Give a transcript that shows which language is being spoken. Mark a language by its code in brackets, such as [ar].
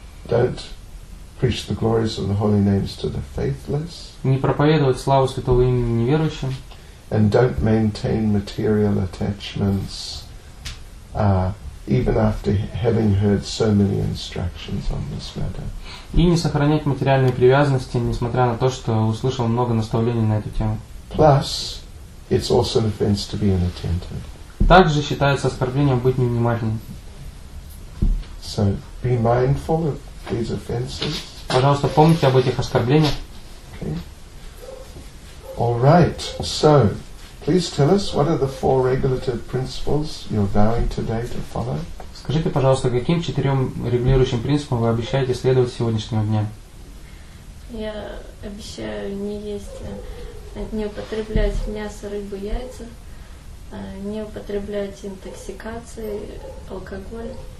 [en] Don't preach the glories of the holy names to the faithless. [ru] Не проповедовать славу святого имени неверующим. [en] And don't maintain material attachments even after having heard so many instructions on this matter. [ru] И не сохранять материальные привязанности, несмотря на то, что услышал много наставлений на эту тему. [en] Plus, it's also an offense to be inattentive. [ru] Также считается оскорблением быть невнимательным. [en] So, be mindful of these offenses. [ru] Пожалуйста, помните об этих оскорблениях. [en] Okay. All right. So, please tell us what are the four regulative principles you're vowing today to follow. [ru] Скажите, пожалуйста, каким четырем регулирующим принципам вы обещаете следовать с сегодняшнего дня? Я обещаю не есть, не употреблять мясо, рыбу, яйца, не употреблять интоксикации, алкоголь.